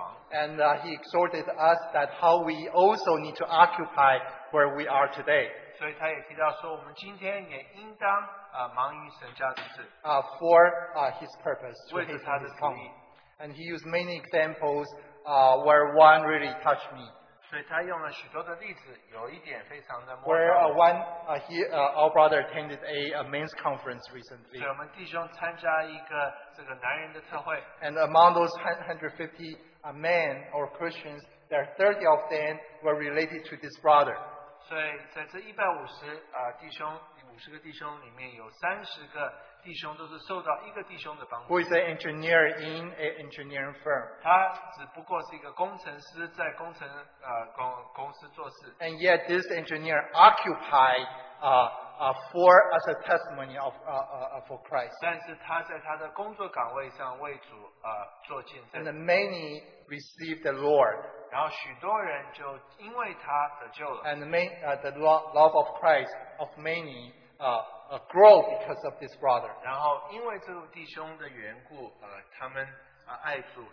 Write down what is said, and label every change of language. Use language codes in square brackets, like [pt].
[en] And he exhorted us that how we also need to occupy where we are today. [zh] 所以他也提到说我们今天也应当, [en] for his purpose, for his kingdom. And he used many examples where one really touched me. [zh] 所以他用了许多的例子, 有一点非常的摸到, [en] where one, he, our brother attended a men's conference recently. [zh] 所以我们弟兄参加一个这个男人的特会, [en] and among those 150 men or Christians, there are 30 of them were related to this brother. [zh] 所以在这150, 弟兄, 50个弟兄里面有30个弟兄都是受到一个弟兄的帮助。 [en] Who is an engineer in an engineering firm? [zh] 他只不过是一个工程师在工程, 公司做事。 [en] And yet this engineer occupied for as a testimony of for Christ. [zh] 但是他在他的工作岗位上为主, 做见证。 [en] And the many received the Lord. [zh] 然后许多人就因为他得救了。 [en] And may, the love of Christ of many grow because of this brother. [zh] 然后因为这个弟兄的缘故, 他们, 爱主,